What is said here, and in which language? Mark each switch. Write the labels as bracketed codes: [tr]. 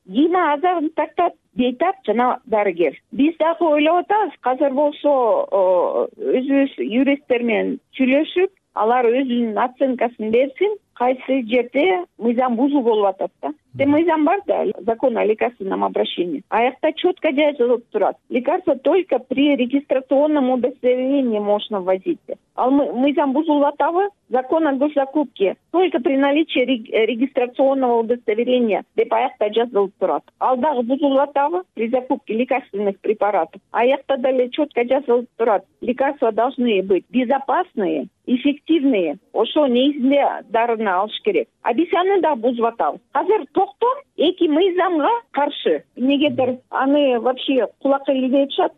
[ky] Кима азабын тартат? Бейтап жана дарыгер. Биз дагы ойлоп атабыз, азыр болсо өзүбүз юристтер менен сүйлөшүп, алар өзүнүн оценкасын берсин. Кайсы жерде мыйзам бузуу болуп атат да. Мыйзам бар да, [ru] закон о лекарственном обращении. [ky] Аякта четко жазылып турат. [ru] Лекарство только при регистрационном удостоверении можно ввозить. [ky] Ал мыйзам бузулуп атабы? [ru] Закон о госзакупке только при наличии регистрационного удостоверения [ky] деп аякта жазылып турат. Ал дагы бузулуп атабы? [ru] При закупке лекарственных препаратов. [ky] Аякта деле четко жазылып турат. [ru] Лекарства должны быть безопасные, эффективные. [ky] Ошо негизинде дарыны алыш керек. А биз аны да бузуп атабыз. Азыр токтом эки мыйзамга каршы. Эмнегедир аны вообще кулак илдетишат.